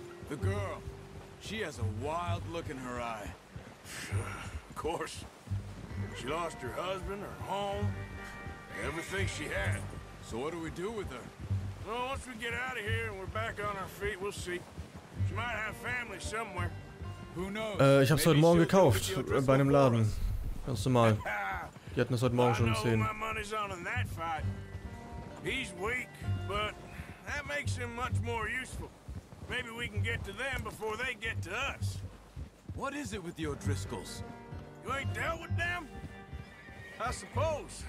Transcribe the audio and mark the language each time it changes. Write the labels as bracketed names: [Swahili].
[English] The girl, she has a wild look in her eye. Of course. She lost her husband, her home, everything she had. So what do we do with her? Well, once we get out of here and we're back on our feet, we'll see. She might have family somewhere. Who knows? [German] Ich hab's heute Morgen gekauft bei einem Laden. Ganz normal. Die hatten es heute Morgen schon gesehen. [English] My money's on in that fight. He's weak, but that makes him much more useful. Maybe we can get to them before they get to us. What is it with the O'Driscolls? You ain't dealt with them? I suppose.